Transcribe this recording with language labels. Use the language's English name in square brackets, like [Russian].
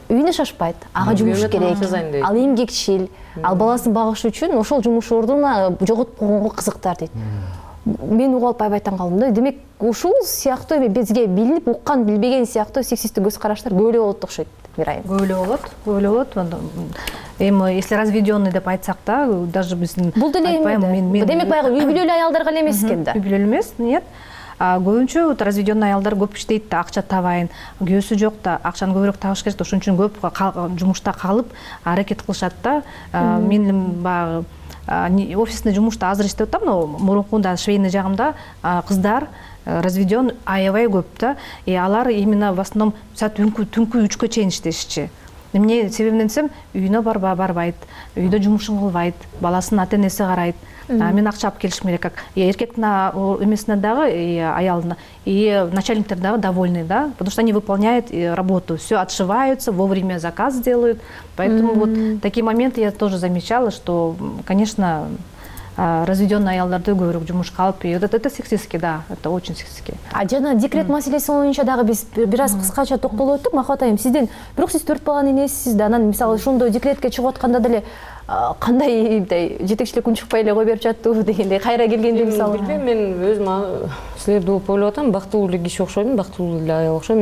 [Kyrgyz] Үйүнө шашпайт. Ага жумуш керек. Ал эмгекчил, ал баласын багыш үчүн ошол жумуш ордуна жоготуп койгонго кызыктар дейт. Мен угуп аябайтан калдым да. Демек ушул сыяктуу эми бизге билинип уккан, билбеген сыяктуу сексисттик көз караштар көбүрөөк болот окшойт. Мирайым. Көбүрөөк болот. Эми если разведенный деп айтсак да, даже биздин бул деле эмне? Демек баягы үй бүлөлүү аялдар гана эмес экен да. Үй бүлөлүү эмес, нет. Көбүнчө разведенный аялдар көп иштейт да, акча табайын, күйөөсү жок да, акчаны көбүрөөк табыш керек да, ошон үчүн көп жумушта калып аракет кылышат да. Мен баягы офисный жумушта азыр иштеп атам, но мурункунда швейный жагымда кыздар разведен аябай көп да. И алар [Russian] именно в основном [Kyrgyz] саат түнкү 3-кө чейин иштешчи. Эмне себебинен десем, үйүнө барбайт, үйдө жумушун кылбайт, баласынын ата энеси карайт. Мен акча алып келишим керек. Эркектин эмесине дагы, аялына, начальниктер дагы довольны, да? [Russian] Потому что они выполняют работу, все отшиваются, вовремя заказ делают. Поэтому вот такие моменты я тоже замечала, что, конечно, разведен [Kyrgyz] аялдарды көбүрөөк жумушка алып, [Russian] это сексистский, да, это очень сексистский. [Kyrgyz] А жана декрет маселеси боюнча дагы биз бир аз кыскача токтолуп өттүк, Махабат айым, сиздин, бирок сиз 4 баланын энесисиз да, анан мисалы ошондой декретке чыгып атканда деле кандай мындай жетекчилик күн чыкпай эле кое берип жаттыбы дегендей кайра келгенде мисалы. Билбейм, мен өзүм силерди угуп ойлоп атам, бактылуу эле киши окшоймун, бактылуу эле аял окшойм.